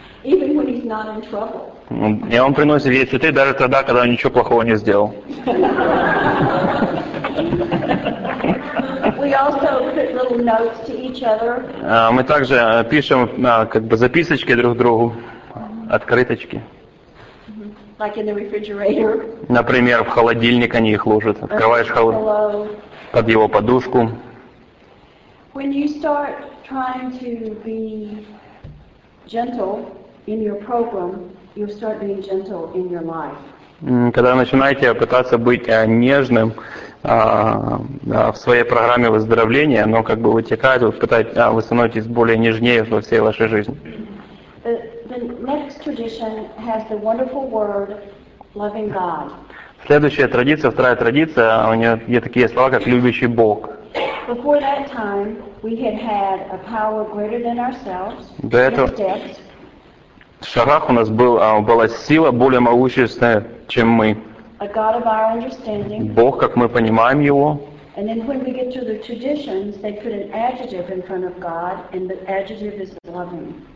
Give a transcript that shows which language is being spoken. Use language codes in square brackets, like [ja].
[en] Even when he's not in trouble. [ru] И он приносит ей цветы даже тогда, когда он ничего плохого не сделал. [en] We also put little notes to each other. [ru] Мы также пишем как бы записочки друг другу, открыточки. [en] Like in the refrigerator. [ru] Например, в холодильник они их ложат. Открываешь под его подушку. [en] When you start trying to be gentle in your program, you'll start being gentle in your life. [ru] Когда начинаете пытаться быть нежным в своей программе выздоровления, оно как бы вытекает, вы становитесь более нежнее во всей вашей жизни. [en] The next tradition has the wonderful word loving God. [ru] Следующая традиция, вторая традиция, у нее такие слова, как любящий Бог. [en] Before that time, we had a power greater than ourselves. [ru] До этого в шарах у нас была сила более могущественная, чем мы. [en] A God of our understanding. [ru] Бог, как мы понимаем его. [en] And then when we get to the traditions, they put an adjective in front of God, and the adjective is loving.